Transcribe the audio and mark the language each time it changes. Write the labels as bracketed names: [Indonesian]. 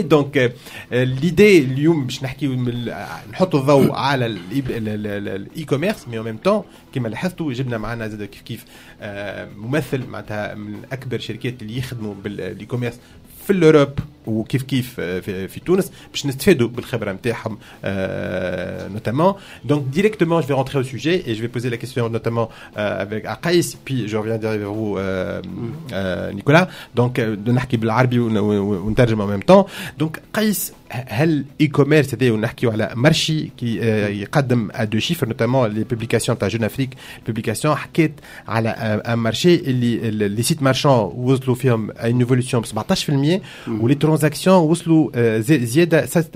[Arabic] دونك ليدي اليوم باش نحكي نحط الضوء على الاي كوميرس، مي اون ميم تون كيما لاحظتوا جبنا معنا زاد كيف ممثل معناتها من اكبر شركات اللي يخدموا بالاي كوميرس في الأوروب وكيف كيف في تونس باش نستفادوا بالخبرة نتاعهم notamment. [French] Donc directement je vais rentrer au sujet et je vais poser la question notamment avec Aqais puis je reviens derrière vous Nicolas. [Arabic] Donc نحكي بالعربي ونترجم [French] en même temps. Donc Aqais, [Arabic] هل [French] e-commerce هذا [Arabic] ونحكيوا على مرشي كي يقدم دو شيفر [French] notamment les publications تاع Jeune Afrique publication [Arabic] حكيت على [French] un marché اللي les sites marchands [Arabic] وصلوا فيهم [French] à une évolution de 17% ou les transactions [Arabic] وصلوا زيادة [French] 67%